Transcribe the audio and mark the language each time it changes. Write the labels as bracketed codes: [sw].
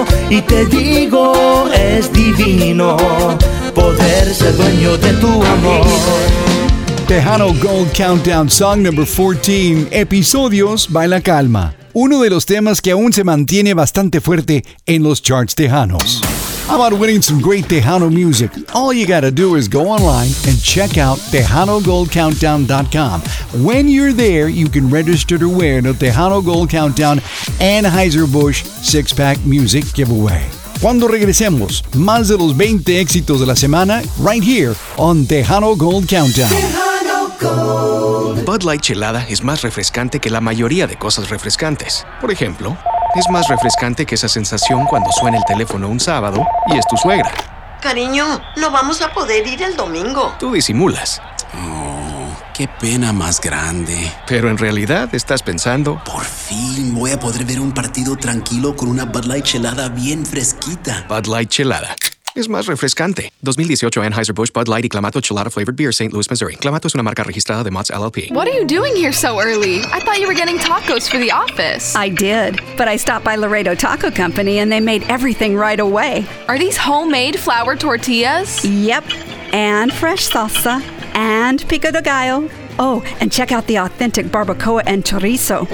[es] Y te digo, es divino poder ser dueño de tu amor. [en] Tejano Gold Countdown, song number 14, Episodios by La Calma. [es] Uno de los temas que aún se mantiene bastante fuerte en los charts tejanos. [en] How about winning some great Tejano music? All you gotta do is go online and check out TejanoGoldCountdown.com. When you're there, you can register to win a Tejano Gold Countdown Anheuser-Busch 6-pack music giveaway. [es] Cuando regresemos, más de los 20 éxitos de la semana, [en] right here on Tejano Gold Countdown. Tejano Gold. [es] Bud Light Chelada es más refrescante que la mayoría de cosas refrescantes. Por ejemplo, es más refrescante que esa sensación cuando suena el teléfono un sábado y es tu suegra. Cariño, no vamos a poder ir el domingo. Tú disimulas. Qué pena más grande. Pero en realidad estás pensando... Por fin voy a poder ver un partido tranquilo con una Bud Light chelada bien fresquita. Bud Light chelada. Es más refrescante. 2018 Anheuser-Busch Bud Light y Clamato Chelada Flavored Beer, St. Louis, Missouri. Clamato es una marca registrada de Mott's LLP. [en] What are you doing here so early? I thought you were getting tacos for the office. I did, but I stopped by Laredo Taco Company and they made everything right away. Are these homemade flour tortillas? Yep, and fresh salsa. And pico de gallo. Oh, and check out the authentic barbacoa and chorizo.